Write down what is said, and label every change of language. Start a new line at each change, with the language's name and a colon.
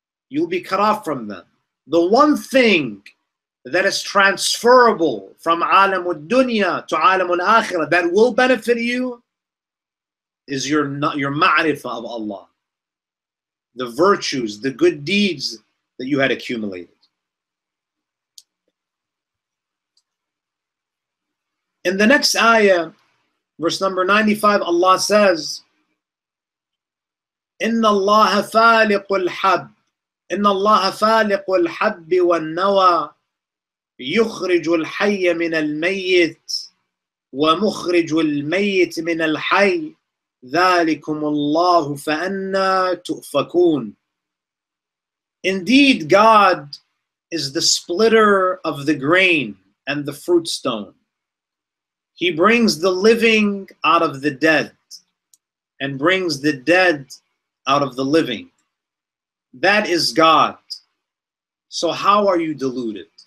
English: You'll be cut off from them. The one thing that is transferable from alam al-dunya to alam al-akhirah that will benefit you is your ma'rifah of Allah. The virtues, the good deeds that you had accumulated. In the next ayah, verse number 95, Allah says,
Arabic: إِنَّ اللَّهَ فَالِقُ الْحَبِّ إِنَّ اللَّهَ فَالِقُ الْحَبِّ وَالنَّوَى يُخْرِجُ الْحَيَّ مِنَ الْمَيِّتِ وَمُخْرِجُ الْمَيِّتِ مِنَ الْحَيِّ ذَلِكُمُ اللَّهُ فَأَنَّى تُؤْفَكُونَ.
English: Indeed, God is the splitter of the grain and the fruit stone. He brings the living out of the dead and brings the dead out of the living. That is God. So how are you deluded?